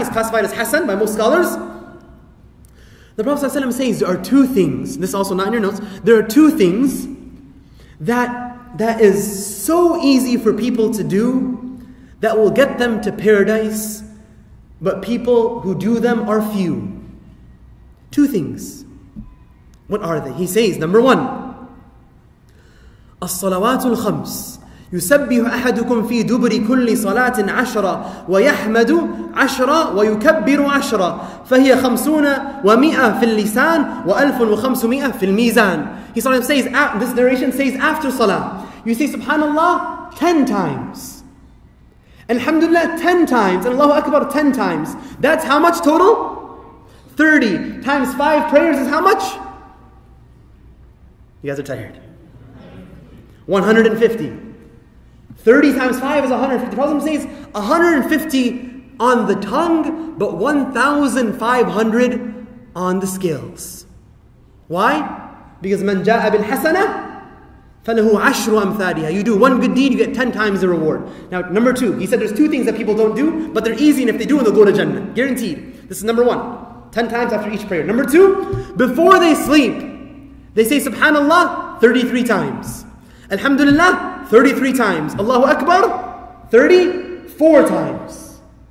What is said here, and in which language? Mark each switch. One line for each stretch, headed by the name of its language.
English: It's classified as Hassan by most scholars. The Prophet ﷺ says there are two things, this is also not in your notes, there are two things that is so easy for people to do that will get them to paradise, but people who do them are few. Two things. What are they? He says, number one,
Arabic: الصلوات الخمس يسبح أحدكم في دبر كل صلاة عشرة ويحمد عشرة ويكبر عشرة فهي خمسون ومئة في اللسان وألف وخمسمائة في الميزان.
English: He sort of says, this narration says, after salah, you say Subhanallah 10 times, Alhamdulillah 10 times, and Allahu Akbar 10 times. That's how much total? 30 times 5 prayers is how much? You guys are tired. 150. 30 times 5 is 150. The Prophet says 150 on the tongue, but 1,500 on the scales. Why? Because
Arabic: من جاء بالحسنة فله عشر أمثالها.
English: You do one good deed, you get 10 times the reward. Now, number two, he said there's two things that people don't do, but they're easy, and if they do, they'll go to Jannah. Guaranteed. This is number one. 10 times after each prayer. Number two, before they sleep, they say Subhanallah 33 times. Alhamdulillah, 33 times. Allahu Akbar, 34 times.